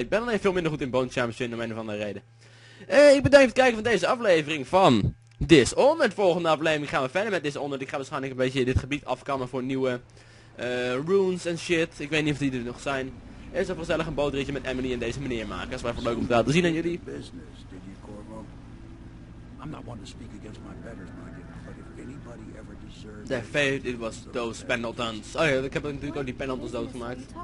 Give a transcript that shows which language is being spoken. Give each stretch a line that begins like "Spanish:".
Dutch: Ik ben alleen veel minder goed in Bone gems in om een of andere reden. Ik bedank voor het kijken van deze aflevering van Dishonored. Met volgende aflevering gaan we verder met Dishonored. Ik ga waarschijnlijk een beetje dit gebied afkammen voor nieuwe runes en shit. Ik weet niet of die er nog zijn. Eerst even gezellig een bootritje met Emily en deze meneer maken. Dat is wel even leuk om te laten zien aan jullie.
English: Business, did you, Corvo? I'm not one to speak against my betters, my dear, but if anybody ever deserved... The fate, it was those Pendletons.
Dutch: Oh ja, ik heb natuurlijk ook die Pendletons doodgemaakt.